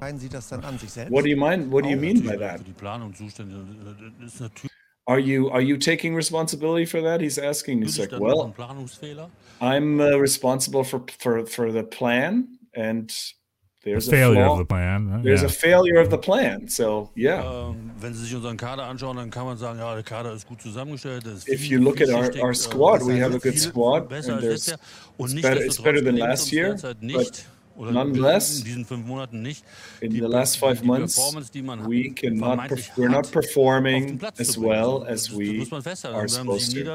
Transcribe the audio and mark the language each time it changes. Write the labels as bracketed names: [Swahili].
[English] What do you mean by that? Are you taking responsibility for that? He's asking. He's like, well, I'm responsible for the plan and. There's a failure of the plan. So, yeah. [German] Wenn Sie sich unseren Kader anschauen, dann kann man sagen, ja, der Kader ist gut zusammengestellt. [English] If you look at our squad, we have a good squad. And there's it's better than last year, but nonetheless, in the last 5 months, we're not performing as well as we are supposed to.